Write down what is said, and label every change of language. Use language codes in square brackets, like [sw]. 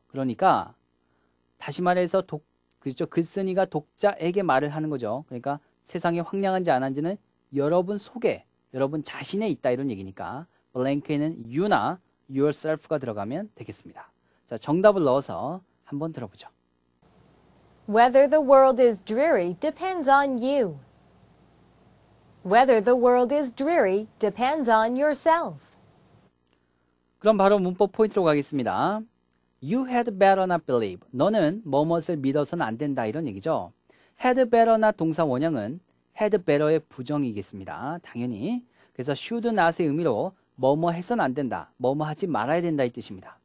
[ko] 그러니까 다시 말해서 글쓴이가 독자에게 말을 하는 거죠. 그러니까 세상이 황량한지 안한지는 여러분 속에, 여러분 자신에 있다 이런 얘기니까 blank에는 you나 yourself가 들어가면 되겠습니다. 자, 정답을 넣어서 한번 들어보죠. [en] Whether the world is dreary depends on you. Whether the world is dreary depends on yourself. [ko] 그럼 바로 문법 포인트로 가겠습니다. [en] You had better not believe. [ko] 너는 뭐뭇을 믿어서는 안 된다 이런 얘기죠. Had better not 동사 원형은 had better의 부정이겠습니다. 당연히. 그래서 should not의 의미로 뭐뭐 해서는 안 된다, 뭐뭐 하지 말아야 된다 이 뜻입니다.